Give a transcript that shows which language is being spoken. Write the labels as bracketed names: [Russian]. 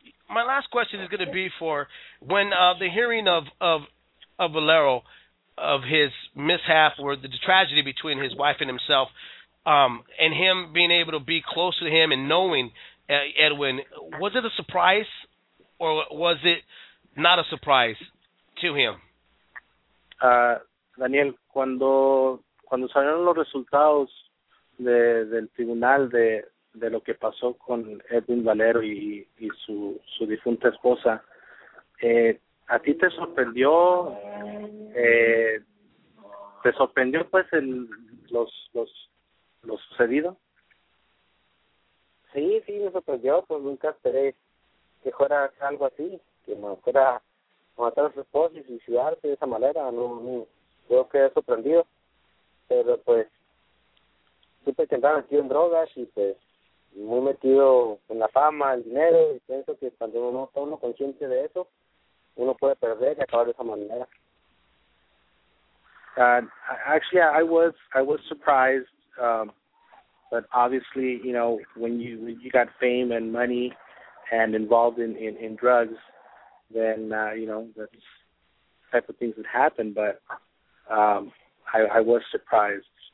[English] My last question is going to be for when the hearing of Valero, of his mishap or the tragedy between his wife and himself, and him being able to be close to him and knowing Edwin, was it a surprise or was it not a surprise to him? [Spanish] Daniel, cuando salieron los resultados del tribunal de lo que pasó con Edwin Valero y su difunta esposa, ¿a ti te sorprendió? ¿Te sorprendió pues lo sucedido? Sí, me sorprendió, pues nunca esperé que fuera algo así, que me fuera a matar a su esposa y suicidarse de esa manera. No, yo quedé sorprendido, pero pues siempre que andaba metido en drogas y pues muy metido en la fama, el dinero, y pienso que cuando uno está uno consciente de eso, uno puede perder y acabar de esa manera. [English] Actually, I was surprised, but obviously, you know, when you got fame and money and involved in drugs, then, you know, that's the type of things that happen, but I was surprised.